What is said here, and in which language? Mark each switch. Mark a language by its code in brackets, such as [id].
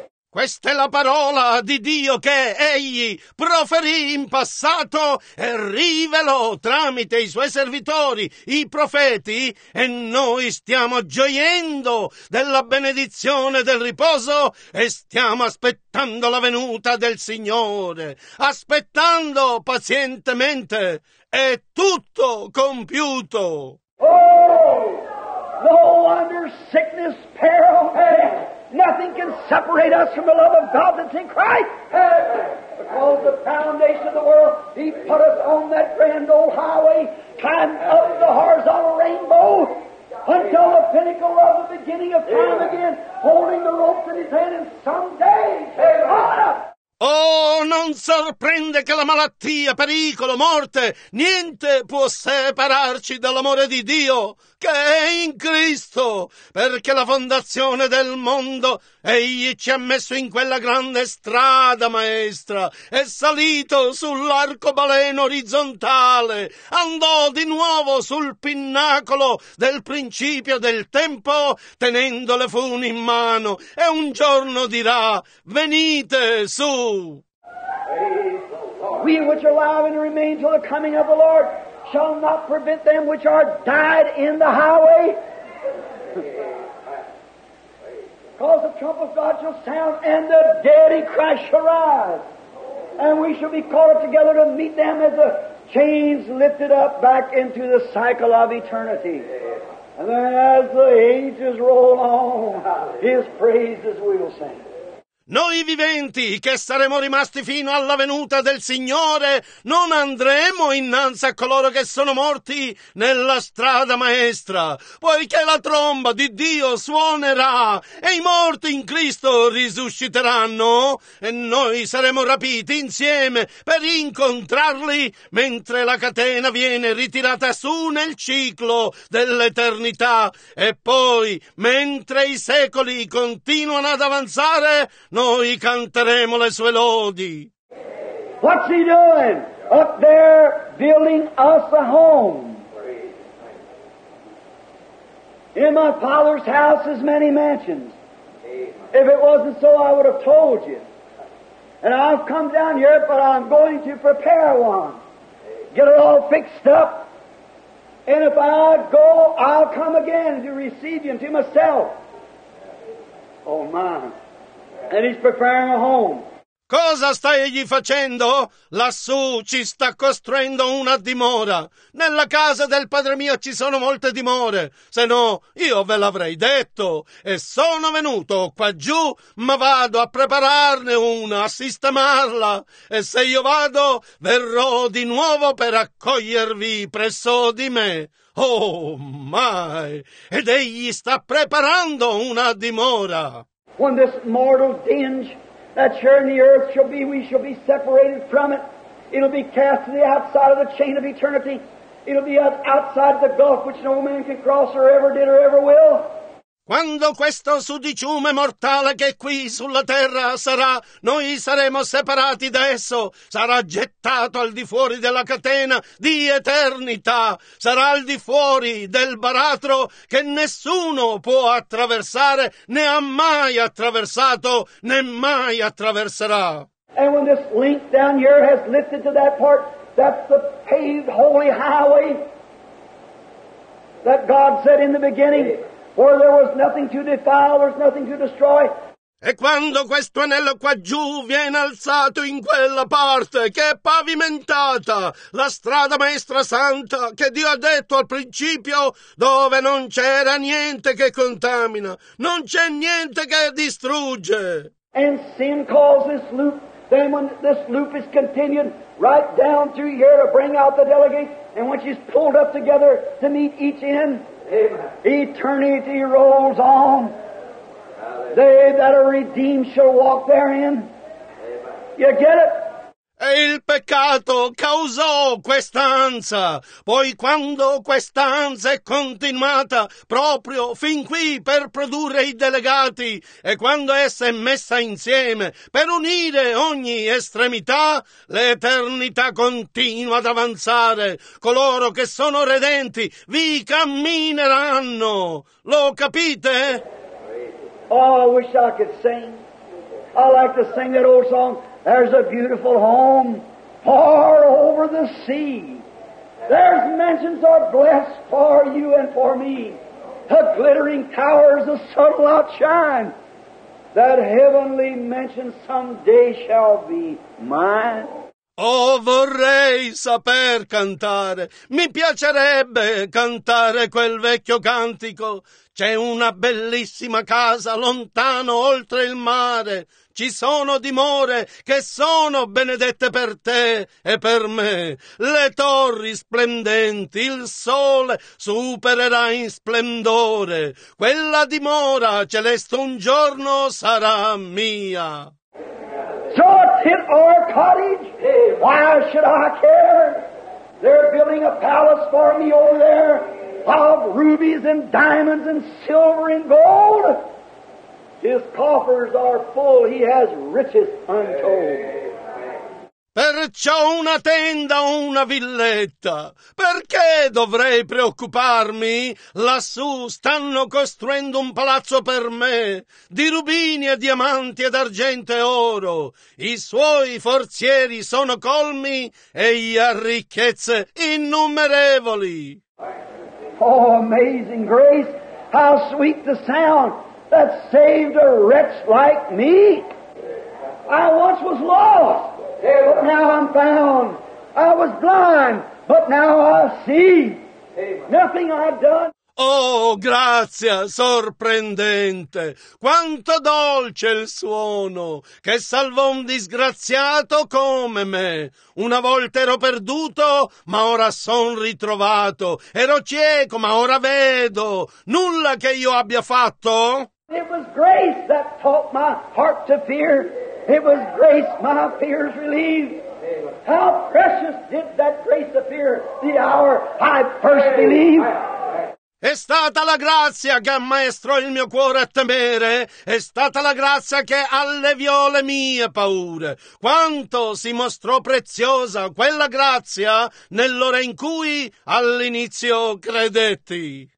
[it] Questa è la parola di Dio che egli proferì in passato e rivelò tramite i suoi servitori, i profeti, e noi stiamo gioiendo della benedizione del riposo e stiamo aspettando la venuta del Signore, aspettando pazientemente. È tutto compiuto. [en] No wonder sickness, peril, nothing can separate us from the love of God that's in Christ. Because the foundation of the world, he put us on that grand old highway, climbed up the horizontal rainbow, until the pinnacle of the beginning of time again, holding the ropes in his hand, and someday, [it] Oh, non sorprende che la malattia, pericolo, morte, niente può separarci dall'amore di Dio che è in Cristo, perché la fondazione del mondo egli ci ha messo in quella grande strada maestra, è salito sull'arcobaleno orizzontale, andò di nuovo sul pinnacolo del principio del tempo tenendo le funi in mano e un giorno dirà: venite su. [en] We which are alive and remain till the coming of the Lord shall not prevent them which are died in the highway. Because the trumpet of God shall sound, and the dead in Christ shall rise. And we shall be called together to meet them as the chains lifted up back into the cycle of eternity. And then as the ages roll on, his praises we will sing. [it] Noi viventi, che saremo rimasti fino alla venuta del Signore, non andremo innanzi a coloro che sono morti nella strada maestra, poiché la tromba di Dio suonerà e i morti in Cristo risusciteranno, e noi saremo rapiti insieme per incontrarli mentre la catena viene ritirata su nel ciclo dell'eternità, e poi, mentre i secoli continuano ad avanzare, noi canteremo le sue lodi. [en] What's he doing? Up there building us a home. In my Father's house is many mansions. If it wasn't so, I would have told you. And I've come down here, but I'm going to prepare one. Get it all fixed up. And if I go, I'll come again to receive you to myself. Oh, my. And he's preparing a home. [it] Cosa sta egli facendo? Lassù ci sta costruendo una dimora. Nella casa del Padre mio ci sono molte dimore. Se no, io ve l'avrei detto. E sono venuto qua giù, ma vado a prepararne una, a sistemarla. E se io vado, verrò di nuovo per accogliervi presso di me. Oh, mai! Ed egli sta preparando una dimora. [en] When this mortal dinge that's here in the earth shall be, we shall be separated from it. It'll be cast to the outside of the chain of eternity. It'll be outside the gulf which no man can cross or ever did or ever will. [it] Quando questo sudiciume mortale che qui sulla terra sarà, noi saremo separati da esso, sarà gettato al di fuori della catena di eternità, sarà al di fuori del baratro che nessuno può attraversare, né ha mai attraversato, né mai attraverserà. [en] And when this link down here has lifted to that part, that's the paved holy highway that God said in the beginning. For there was nothing to defile, there was nothing to destroy. [it] E quando questo anello qua giù viene alzato in quella parte che è pavimentata, la strada maestra santa che Dio ha detto al principio, dove non c'era niente che contamina, non c'è niente che distrugge. [en] And sin calls this loop, then when this loop is continued right down through here to bring out the delegates, and when she's pulled up together to meet each end, eternity rolls on. They that are redeemed shall walk therein. You get it? [it] E il peccato causò quest'ansia. Poi quando quest'ansia è continuata proprio fin qui per produrre i delegati, e quando essa è messa insieme per unire ogni estremità, l'eternità continua ad avanzare. Coloro che sono redenti vi cammineranno. Lo capite? [en] Oh, I wish I could sing. I like to sing that old song. There's a beautiful home far over the sea. There's mansions are blessed for you and for me. The glittering towers the subtle outshine. That heavenly mansion someday shall be mine. [it] Oh, vorrei saper cantare. Mi piacerebbe cantare quel vecchio cantico. C'è una bellissima casa lontano oltre il mare. Ci sono dimore che sono benedette per te e per me. Le torri splendenti, il sole supererà in splendore. Quella dimora celeste un giorno sarà mia. [en] So it's in our cottage? Why should I care? They're building a palace for me over there of rubies and diamonds and silver and gold. His coffers are full, he has riches untold. [it] Perciò una tenda o una villetta, perché dovrei preoccuparmi? Lassù stanno costruendo un palazzo per me, di rubini e diamanti ed argento e oro. I suoi forzieri sono colmi e gli ha ricchezze innumerevoli. [en] Oh, amazing grace, how sweet the sound that saved a wretch like me. I once was lost, but now I'm found. I was blind, but now I see. Nothing I've done. [it] Oh, grazia sorprendente, quanto dolce il suono che salvò un disgraziato come me. Una volta ero perduto, ma ora son ritrovato. Ero cieco, ma ora vedo. Nulla che io abbia fatto. [en] It was grace that taught my heart to fear. It was grace my fears relieved. How precious did that grace appear the hour I first believed. [it] È stata la grazia che ammaestrò il mio cuore a temere, è stata la grazia che alleviò le mie paure. Quanto si mostrò preziosa quella grazia nell'ora in cui all'inizio credetti.